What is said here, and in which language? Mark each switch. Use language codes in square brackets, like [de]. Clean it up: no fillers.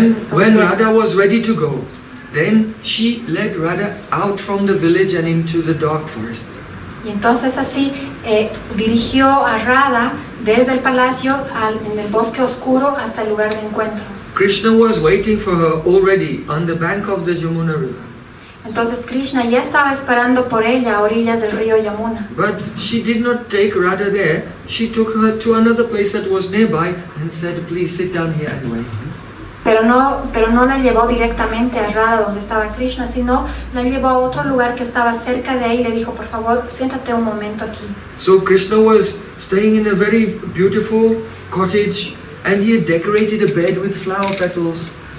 [en] When Radha was ready to go, then she led Radha out from the village and into the dark forest. [es] Y entonces así dirigió a Radha desde el palacio en el bosque oscuro hasta el lugar de encuentro. [en] Krishna was waiting for her already on the bank of the Yamuna River. [es] Entonces Krishna ya estaba esperando por ella a orillas del río Yamuna. [en] But she did not take Radha there. She took her to another place that was nearby and said, "Please sit down here and wait." [es] Pero no la llevó directamente a Radha donde estaba Krishna, sino la llevó a otro lugar que estaba cerca de ahí y le dijo, "Por favor, siéntate un momento aquí." [en] So Krishna was staying in a very beautiful cottage and he had decorated a bed with flower petals.